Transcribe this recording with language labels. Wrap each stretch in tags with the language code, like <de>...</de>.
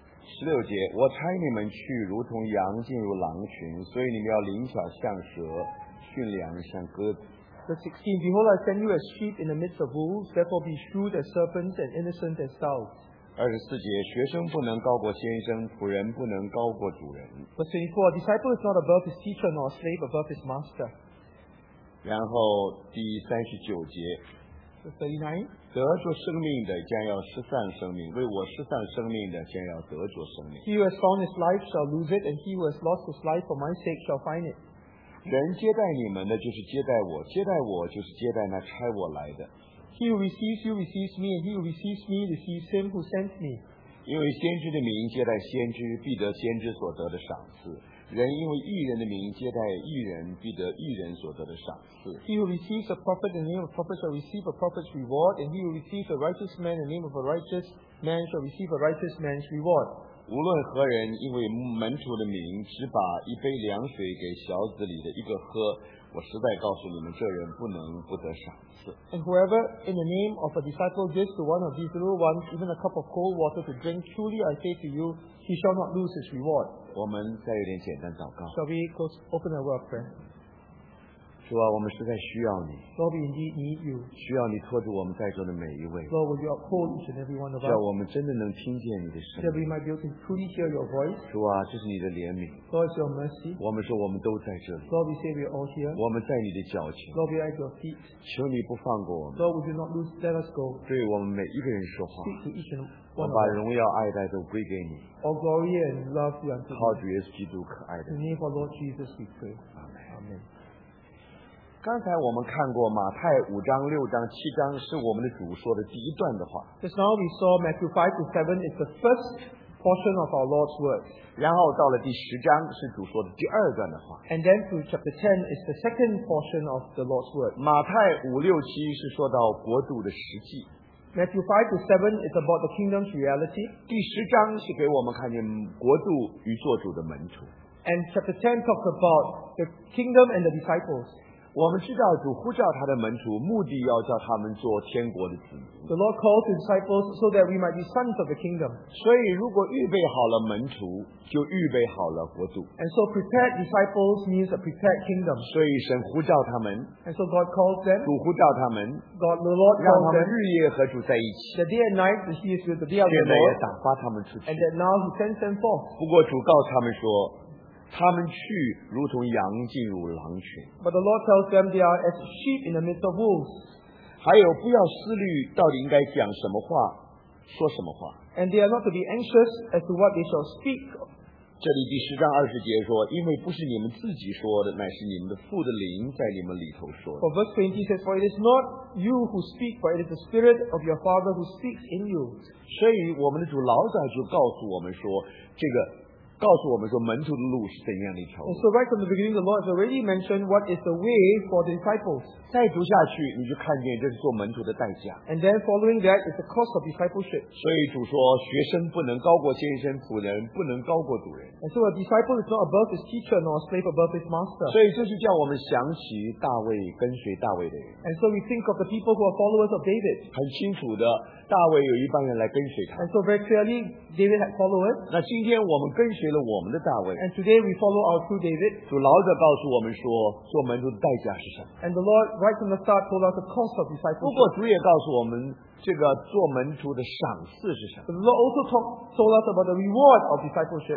<zh>十六节，我差你们去，如同羊进入狼群，所以你们要灵巧像蛇，驯良像鸽子。</zh> <en>Verse 16, Behold, I send you as sheep in the midst of wolves, therefore be shrewd as serpents and innocent as doves.</en> <zh>24节，学生不能高过先生，仆人不能高过主人。</zh> <en>Verse 24, A disciple is not above his teacher, nor a slave above his master.</en> <zh>然后第39节。</zh> <en>39.</en> <zh>得着生命的将要失散生命，为我失散生命的将要得着生命。</zh> <en>He who has found his life shall lose it, and he who has lost his life for my sake shall find it.</en> <zh>人接待你们的，就是接待我；接待我，就是接待那差我来的。</zh> <en>He who receives you receives me, and he who receives me receives him who sent me.</en> <zh>因为先知的名接待先知，必得先知所得的赏赐。人因为义人的名接待义人，必得义人所得的赏赐。</zh> <en>He who receives a prophet in the name of a prophet shall receive a prophet's reward, and he who receives a righteous man in the name of a righteous man shall receive a righteous man's reward.</en> <zh>无论何人因为门徒的名，只把一杯凉水给小子里的一个喝，我实在告诉你们，这人不能不得赏赐。</zh> <en>And whoever in the name of a disciple gives to one of these little ones even a cup of cold water to drink, truly I say to you, he shall not lose his reward.</en> <zh>我们再有点简单祷告。</zh> <en>Shall we close, open our word, friend?</en> <zh>主啊，我们实在需要你。</zh> <en>Lord, we indeed need you.</en> <zh>需要你托住我们在座的每一位。</zh> <en>Lord, will you uphold each and every one of us?</en> <zh>叫我们真的能听见你的声音。</zh> <en>That we might be able to truly hear your voice.</en> <zh>主啊，这是你的怜悯。</zh> <en>Lord, it's your mercy.</en> <zh>我们说我们都在这里。</zh> <en>Lord, we say we are all here.</en> <zh>我们在你的脚前。</zh> <en>Lord, we are at your feet.</en> <zh>求你不放过我们。</zh> <en>Lord, would you not lose, let us go.</en> <zh>对我们每一个人说话。</zh> <en>Speak to each and one.</en> <zh>我把荣耀爱戴都归给你。</zh> <en>All glory and love be unto you.</en> <zh>靠主耶稣基督可爱的。</zh> <en>In the name of our Lord Jesus, we pray. Amen.</en> <zh>刚才我们看过马太五章、六章、七章，是我们的主说的第一段的话。</zh> <en>Just now we saw Matthew 5-7 is the first portion of our Lord's words.</en> <zh>然后到了第十章，是主说的第二段的话。</zh> <en>And then through chapter 10 is the second portion of the Lord's words.</en> <zh>马太五六七是说到国度的实际。</zh> <en>Matthew 5-7 is about the kingdom's reality.</en> <zh>第十章是给我们看见国度与做主的门徒。</zh> <en>And chapter 10 talks about the kingdom and the disciples.</en> <zh>我们知道主呼召他的门徒，目的要叫他们做天国的子民。</zh> <en>The Lord called his disciples so that we might be sons of the kingdom.</en> <zh>所以如果预备好了门徒，就预备好了国度。</zh> <en>And so prepared disciples means a prepared kingdom.</en> <zh>所以神呼召他们。</zh> <en>And so God calls them.</en> <zh>主呼召他们。</zh> <en>God, the Lord calls them.</en> <zh>让他们日夜和主在一起。</zh> <en>The day and night, he is with the day and night.</en> <zh>现在也打发他们出去。</zh> <en>And that now he sends them forth.</en> <zh>不过主告诉他们说，他们去如同羊进入狼群。</zh> <en>But the Lord tells them they are as sheep in the midst of wolves.</en> <zh>还有不要思虑到底应该讲什么话，说什么话。</zh> <en>And they are not to be anxious as to what they shall speak.</en> <zh>这里第十章二十节说，因为不是你们自己说的，乃是你们的父的灵在你们里头说的。</zh> <en>For verse 20 says, For it is not you who speak, but it is the Spirit of your Father who speaks in you.</en> <zh>所以我们的主老早就告诉我们说，这个告诉我们说门徒的路是怎样的一条路。</zh> <en>And so right from the beginning, the Lord has already mentioned what is the way for the disciples.</en> <zh>再读下去，你就看见这是做门徒的代价。</zh> <en>And then following that is the cost of discipleship.</en> <zh>所以主说，学生不能高过先生，仆人不能高过主人。</zh> <en>And so a disciple is not above his teacher nor a slave above his master.</en> <zh>所以这是叫我们想起大卫，跟随大卫的人。</zh> <en>And so we think of the people who are followers of David.</en> <zh>很清楚的，大卫有一帮人来跟随他。</zh> <en>And so very clearly, David had followers.</en> <zh>那今天我们跟随了我们的大卫。</zh> <en>And today we follow our true David.</en> <zh>主老早告诉我们说，做门徒的代价是什么。</zh> <en>And the Lord right from the start told us the cost of discipleship.</en> <zh>不过主也告诉我们，这个做门徒的赏赐是什么。</zh> <en>The Lord also told us about the reward of discipleship.</en>